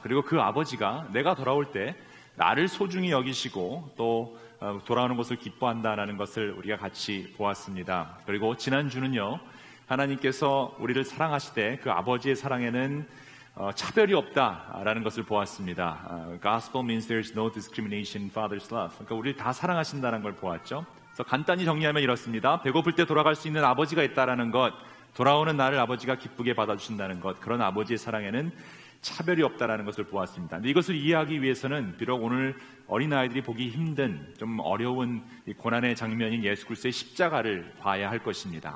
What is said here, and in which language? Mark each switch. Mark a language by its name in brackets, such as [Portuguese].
[Korean] 그리고 그 아버지가 내가 돌아올 때 나를 소중히 여기시고 또 돌아오는 것을 기뻐한다라는 것을 우리가 같이 보았습니다. 그리고 지난주는요, 하나님께서 우리를 사랑하시되 그 아버지의 사랑에는 차별이 없다라는 것을 보았습니다. [English] Gospel means there is no discrimination in Father's love. [Korean] 그러니까 우리를 다 사랑하신다는 걸 보았죠. 그래서 간단히 정리하면 이렇습니다. 배고플 때 돌아갈 수 있는 아버지가 있다라는 것, 돌아오는 나를 아버지가 기쁘게 받아주신다는 것, 그런 아버지의 사랑에는 차별이 없다라는 것을 보았습니다. 근데 이것을 이해하기 위해서는 비록 오늘 어린아이들이 보기 힘든 좀 어려운 이 고난의 장면인 예수 그리스도의 십자가를 봐야 할 것입니다.